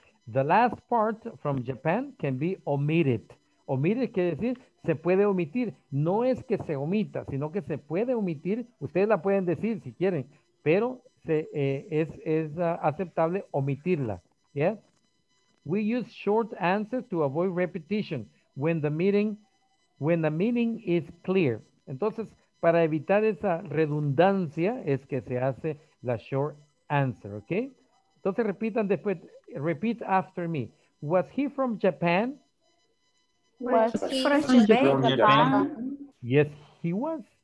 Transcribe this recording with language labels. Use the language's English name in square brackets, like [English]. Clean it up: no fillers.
[English] The last part from Japan can be omitted. [Spanish] Omitted quiere decir se puede omitir. No es que se omita, sino que se puede omitir. Ustedes la pueden decir si quieren, pero se, es aceptable omitirla. [English] Yes? We use short answers to avoid repetition when the meaning is clear. [Spanish] Entonces, para evitar esa redundancia es que se hace la short answer, okay? Entonces, repitan después, [English] repeat after me. Was he from Japan? Was he from Japan? Yes, he was.